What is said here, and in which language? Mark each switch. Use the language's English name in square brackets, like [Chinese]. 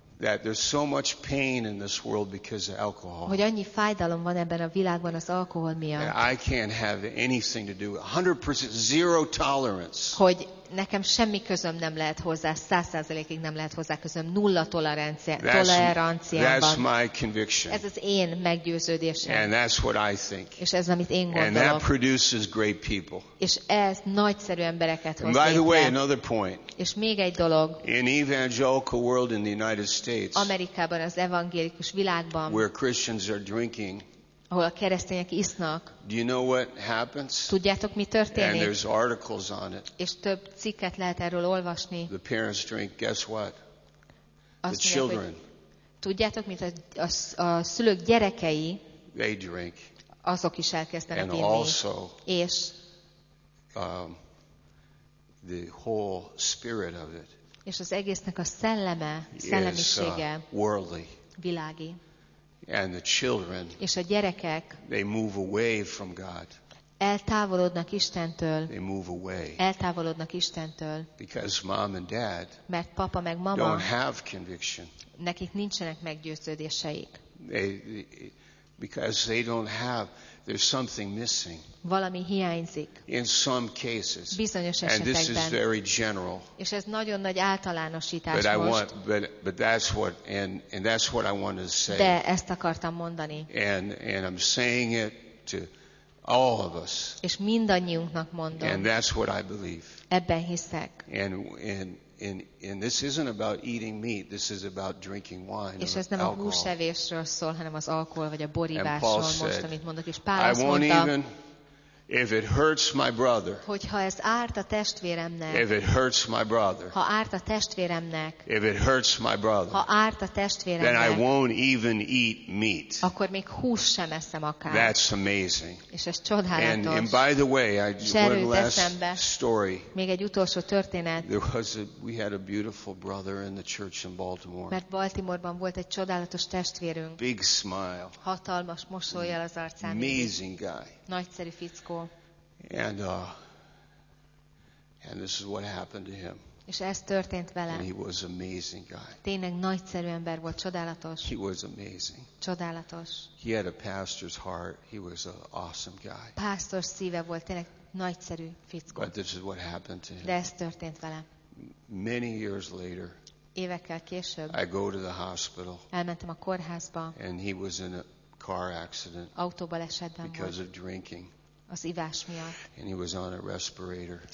[English] that there's so much pain in this world because of alcohol. [Hungarian] Hogy annyi fájdalom van ebben a világban az alkohol miatt. [English] That I can't have anything to do with 100% zero tolerance. [Hungarian] Hogy nekem semmi közöm nem lehet hozzá, 100%-ig nem lehet hozzá közöm, nulla toleranciám van. [English] That's my conviction. [Hungarian] Ez az én meggyőződésem. [English] And that's what I think. [Hungarian] És ez, amit én gondolok. [English] And that produces great people. [Hungarian] És ez nagyszerű embereket hoz. [English] And by the way, another point. [Hungarian] És még egy dolog. [English] In evangelical world in the United States. [Hungarian] Amerikában, az evangélikus világban. [English] Where Christians are drinking. [Hungarian] Ahol a keresztények isznak. [English] Do you know what happens? [Hungarian] Tudjátok, mi történik? [English] And there's articles on it. [Hungarian] És több cikket lehet erről olvasni. [English] The parents drink, guess what? [Hungarian] Azt [English] the children. [Hungarian] Tudjátok, mint a szülők gyerekei. [English] They drink. [Hungarian] Azok is elkezdenek inni. [English] And also. [Hungarian] És. [English] The whole spirit of it. [Hungarian] És az egésznek a szelleme, szellemisége. [English] Worldly. [Hungarian] Világi. [English] And the children, [Hungarian] és a gyerekek, [English] they move away from God. [Hungarian] Eltávolodnak Istentől. [English] They move away. [Hungarian] Eltávolodnak Istentől. [English] Because mom and dad, [Hungarian] mert papa meg mama, [English] don't have conviction. [Hungarian] Nekik nincsenek meggyőződéseik. [English] Because they don't have, there's something missing. [Hungarian] Valami hiányzik. [English] In some cases. [Hungarian] Bizonyos esetekben. [English] And this is very general. [Hungarian] És ez nagyon nagy általánosítás [English] but [Hungarian] most. [English] But that's what I want to say. [Hungarian] De ezt akartam mondani. [English] And I'm saying it to all of us. [Hungarian] És mindannyiunknak mondom. [English] And that's what I believe. [Hungarian] Ebben hiszek. [English] And this isn't about eating meat. This is about drinking wine. [Hungarian] És ez nem a húsevésről szól, hanem az alkohol vagy a borításról most, amit mondok. És Pál azt mondta, [English] if it hurts my brother, [Hungarian] hogyha ez árt a testvéremnek, [English] if it hurts my brother, [Hungarian] ha árt a testvéremnek, [English] if it hurts my brother, [Hungarian] ha árt a testvéremnek, [English] then I won't even eat meat. [Hungarian] Akkor még hús sem eszem akár. [English] That's amazing. [Hungarian] És ez csodálatos. [English] And by the way, I just one last story. [Hungarian] Még egy utolsó történet. [English] We had a beautiful brother in the church in Baltimore. [Hungarian] Mert Baltimoreban volt egy csodálatos testvérünk. [English] Big smile. [Hungarian] Hatalmas mosolyjal az arcán. [English] Amazing guy. [Hungarian] Nagyszerű fickó. [English] And this is what happened to him. [Hungarian] És ez történt vele. [English] And he was an amazing guy. [Hungarian] Tényleg nagyszerű ember volt, csodálatos. [English] He was amazing. [Hungarian] Csodálatos. [English] He had a pastor's heart. He was an awesome guy. [Hungarian] Pásztor szíve volt, tényleg nagyszerű fickó. [English] But this is what happened to him. [Hungarian] De ez történt vele. [English] Many years later. [Hungarian] Évekkel később. [English] I go to the hospital. [Hungarian] Elmentem a kórházba. [English] And he was in a car accident. [Hungarian] Autóbalesetben volt. [English] Because of drinking. [Hungarian] Az ivás miatt. [English] And he was on a respirator.